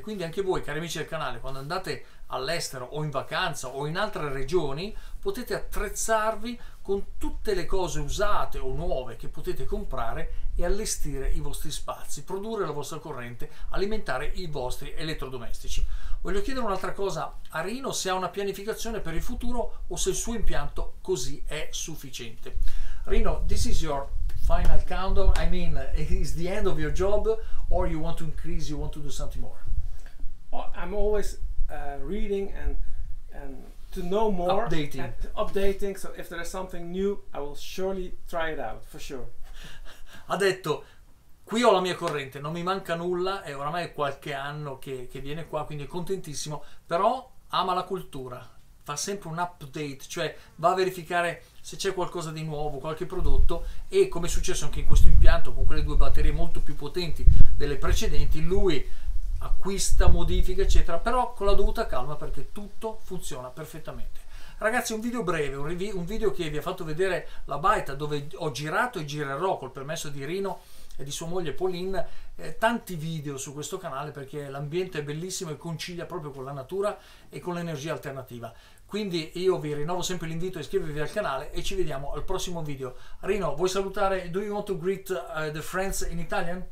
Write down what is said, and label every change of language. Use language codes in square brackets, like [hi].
[it] Quindi anche voi, cari amici del canale, quando andate all'estero o in vacanza o in altre regioni, potete attrezzarvi con tutte le cose usate o nuove che potete comprare e allestire i vostri spazi, produrre la vostra corrente, alimentare i vostri elettrodomestici. Voglio chiedere un'altra cosa a Rino: se ha una pianificazione per il futuro o se il suo impianto così è sufficiente. [en] Rino, this is your final countdown. I mean, it is the end of your job, or you want to increase, you want to do something more? I'm always reading and to know more, updating. So if there is something new, I will surely try it out, for sure. [it] Ha detto: qui ho la mia corrente, non mi manca nulla, è oramai qualche anno che viene qua, quindi è contentissimo, però ama la cultura, fa sempre un update, cioè va a verificare se c'è qualcosa di nuovo, qualche prodotto, e come è successo anche in questo impianto, con quelle due batterie molto più potenti delle precedenti, lui acquista, modifica, eccetera, però con la dovuta calma, perché tutto funziona perfettamente. Ragazzi, un video breve, un video che vi ha fatto vedere la baita, dove ho girato e girerò, col permesso di Rino e di sua moglie Pauline, tanti video su questo canale, perché l'ambiente è bellissimo e concilia proprio con la natura e con l'energia alternativa. Quindi io vi rinnovo sempre l'invito a iscrivervi al canale e ci vediamo al prossimo video. Rino, vuoi salutare? [en] Do you want to greet the friends in Italian?